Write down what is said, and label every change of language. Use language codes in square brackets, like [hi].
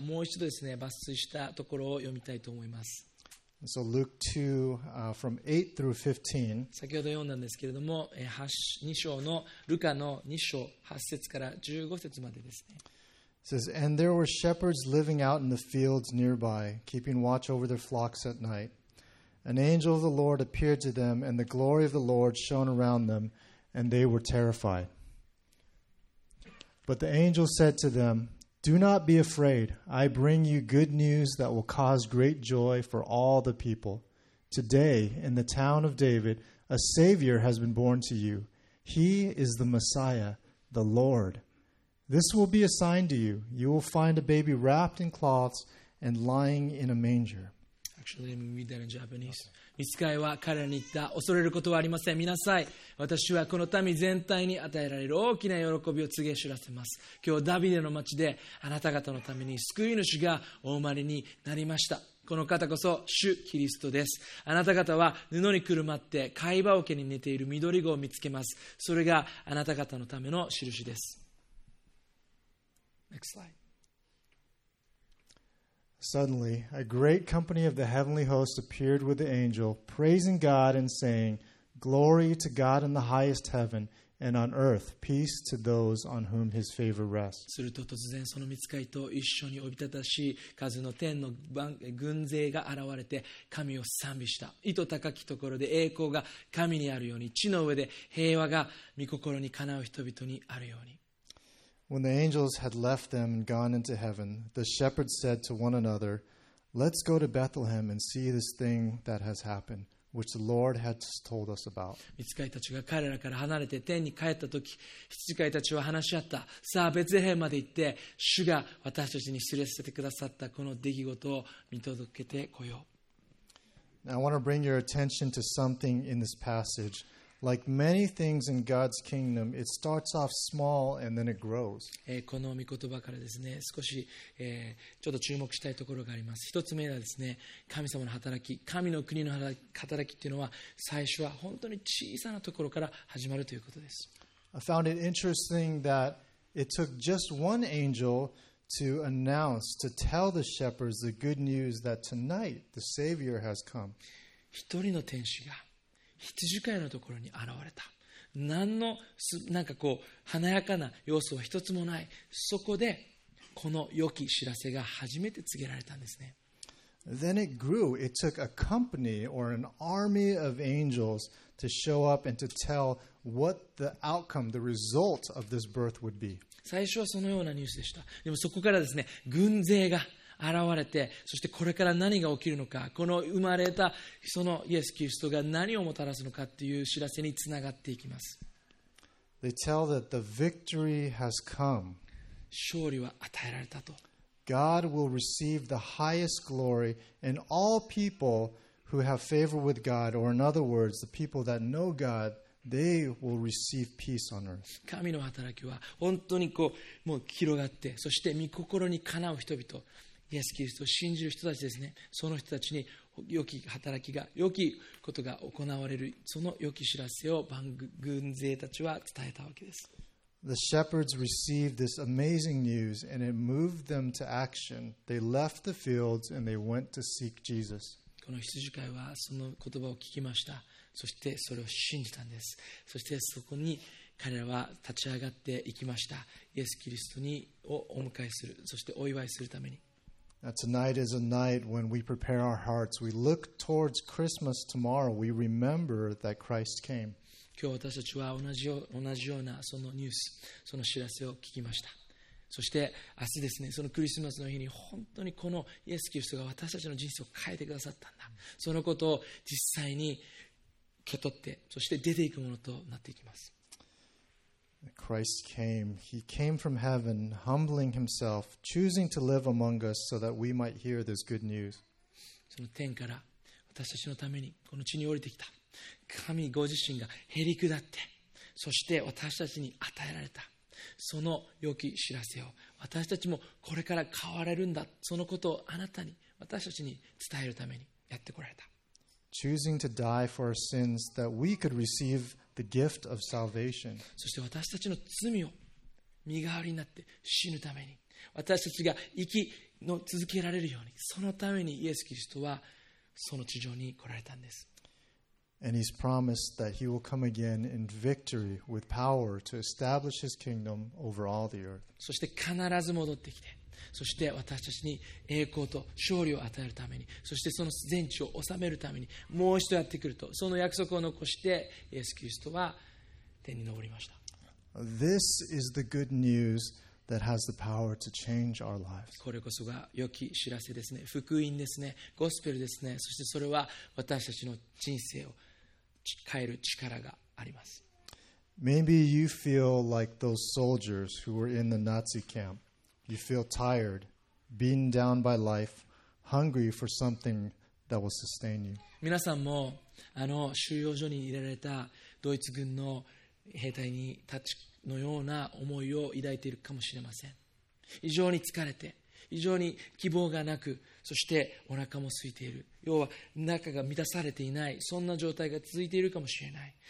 [ja] もう一度ですね、抜粋したところを読みたいと思います。 [en] So Luke 2, from 8 through 15. [ja] 先ほど読んだんですけれども、2章のルカの2章8節から15節までですね。 [en] It says, And there were shepherds living out in the fields nearby, keeping watch over their flocks at night. An angel of the Lord appeared to them, and the glory of the Lord shone around them, and they were terrified. But the angel said to them,Do not be afraid. I bring you good news that will cause great joy for all the people. Today, in the town of David, a Savior has been born to you. He is the Messiah, the Lord. This will be a sign to you. You will find a baby wrapped in cloths and lying in a manger. Actually, let me read that in Japanese. [ja] ミツカイは彼らに言った。恐れることはありません。見なさい。私はこの民全体に与えられる大きな喜びを告げ知らせます。今日ダビデの町であなた方のために救い主がお生まれになりました。この方こそ主キリストです。あなた方は布にくるまって貝羽桶に寝ている緑子を見つけます。それがあなた方のための印です。 [en] Next slide. Suddenly, a great company of the heavenly host appeared with the angel, praising God and saying, Glory to God in the highest heaven, and on earth, peace to those on whom his favor rests. [ja] すると突然その御使いと一緒におびただしい数の天の軍勢が現れて神を賛美した。意図高きところで栄光が神にあるように、地の上で平和が御心にかなう人々にあるように。 [en] When the angels had left them and gone into heaven, the shepherds said to one another, Let's go to Bethlehem and see this thing that has happened, which the Lord had told us about. [ja] 御使いたちが彼らから離れて天に帰った時、羊飼いたちは話し合った。さあ、ベツヘンまで行って、主が私たちに知らせてくださったこの出来事を見届けてこよう。 [en] Now, I want to bring your attention to something in this passage. Like many things in God's kingdom, it starts off small and then it grows. [ja] この御言葉からですね、少し、ちょっと注目したいところがあります。一つ目はですね、神様の働き、神の国の働きっていうのは、最初は本当に小さなところから始まるということです。 [en] I found it interesting that it took just one angel to announce, to tell the shepherds the good news that tonight the Savior has come. [ja] 一人の天使が羊飼いのところに現れた。何のなんかこう華やかな要素は一つもない。そこでこの良き知らせが初めて告げられたんですね。 [en] Then it grew. It took a company or an army of angels to show up and to tell what the outcome, the result of this birth would be. [ja] 最初はそのようなニュースでした。でもそこからですね、軍勢が現れて、そしてこれから何が起きるのか、この生まれたそのイエス・キリストが何をもたらすのかという知らせにつながっていきます。 [en] They tell that the victory has come. [ja] 勝利は与えられたと。 [en] God will receive the highest glory and all people who have favor with God, or in other words, the people that know God, they will receive peace on earth. [ja] 神の働きは本当にこうもう広がって、そして御心にかなう人々、イエス・キリストを信じる人たちですね。その人たちに良き働きが、良きことが行われる、その良き知らせを万軍勢たちは伝えたわけです。 [en] The shepherds received this amazing news and it moved them to action. They left the fields and they went to seek Jesus. [ja] この羊飼いはその言葉を聞きました。そしてそれを信じたんです。そしてそこに彼らは立ち上がっていきました。イエス・キリストにをお迎えする、そしてお祝いするために。 [en] Tonight is a night when we prepare our hearts. We look towards Christmas tomorrow. We remember that Christ came. [ja] 今日私たちは同じようなそのニュース、その知らせを聞きました。そして明日ですね、そのクリスマスの日に本当にこのイエス・キリストが私たちの人生を変えてくださったんだ。そのことを実際に受け取って、そして出ていくものとなっていきます。 [en] Christ came. He came from heaven, humbling himself, choosing to live among us so that we might hear this good news. [ja] その天から私たちのためにこの地に降りてきた神ご自身がへり下って、そして私たちに与えられたその良き知らせを、私たちもこれから変われるんだ、そのことをあなたに、私たちに伝えるためにやってこられた。 [en] Choosing to die for our sins that we could receive the gift of salvation. [ja] そして私たちの罪を身代わりになって死ぬために、私たちが生きの続けられるように、そのためにイエス・キリストはその地上に来られたんです。 [en] And he's promised that he will come again in victory with power to establish his kingdom over all the earth. [ja] そして必ず戻ってきて、そして私たちに栄光と勝利を与えるために、そしてその全地を治めるためにもう一度やってくると、その約束を残してイエス・キリストは天に昇りました。 [en] This is the good news that has the power to change our lives. [ja] これこそが良き知らせですね、福音ですね、ゴスペルですね。そしてそれは私たちの人生を変える力があります。 [en] Maybe you feel like those soldiers who were in the Nazi campYou feel tired, beaten down by life, hungry for something that will sustain you. [ja] 皆さんもあの収容所に入れられたドイツ軍の兵隊にたちのような思いを抱いているかもしれません。非常に疲れて、非常に希望がなく、そしてお腹も空いている。要は中が満たされていない、そんな状態が続いているかもしれない。